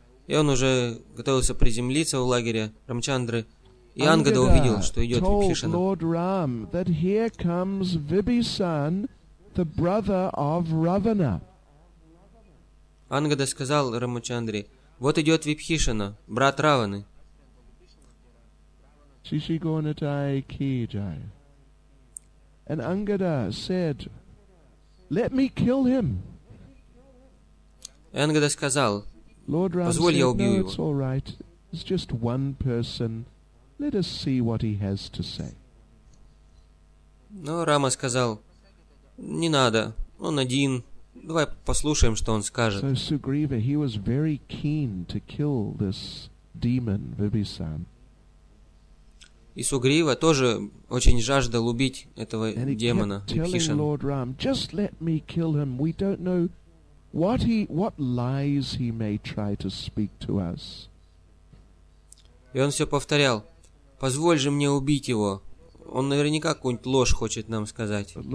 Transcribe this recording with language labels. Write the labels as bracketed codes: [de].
[ru] И он уже готовился приземлиться в лагере Рамачандры. И Ангада увидел, что идет Vibhishan. [en] Lord Ram, that here comes Vibhishan, the brother of Ravana. [ru] Ангада сказал Рамачандре: "Вот идет Vibhishan, брат Раваны." [en] Shishigonatai kijai. And Ангада said, "Let me kill him." [ru] Ангада сказал: "Позволь, я убью его." [en] "No, it's all right. It's just one person. Let us see what he has to say." [ru] Но Рама сказал: "Не надо, он один. Давай послушаем, что он скажет." [en] So Sugriva, he was very keen to kill this demon Vibhishan. [ru] И Сугрива тоже очень жаждал убить этого демона Vibhishan. [en] Lord Ram, just let me kill him. We don't know what lies he may try to speak to us. [ru] И он все повторял: "Позволь же мне убить его. Он наверняка какую-нибудь ложь хочет нам сказать."